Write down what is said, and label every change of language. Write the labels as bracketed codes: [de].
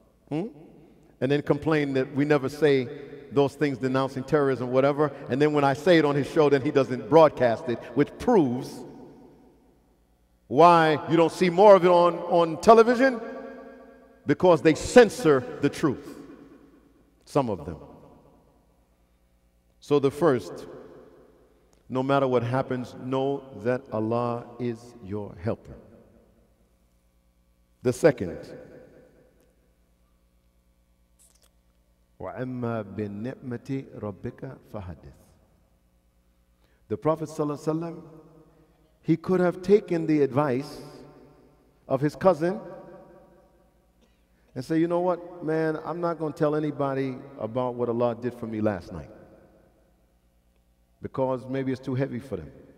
[en] And then complain that we never say those things denouncing terrorism, whatever, and then when I say it on his show, then he doesn't broadcast it, which proves why you don't see more of it on television. Because they censor the truth, some of them. So the first, no matter what happens, know that Allah is your helper. The second, [ar] وَأَمَّا بِالنِّعْمَةِ رَبِّكَ فَحَدِّثْ. [en] The Prophet ﷺ, he could have taken the advice of his cousin and say, you know what, man, I'm not going to tell anybody about what Allah did for me last night. Because maybe it's too heavy for them.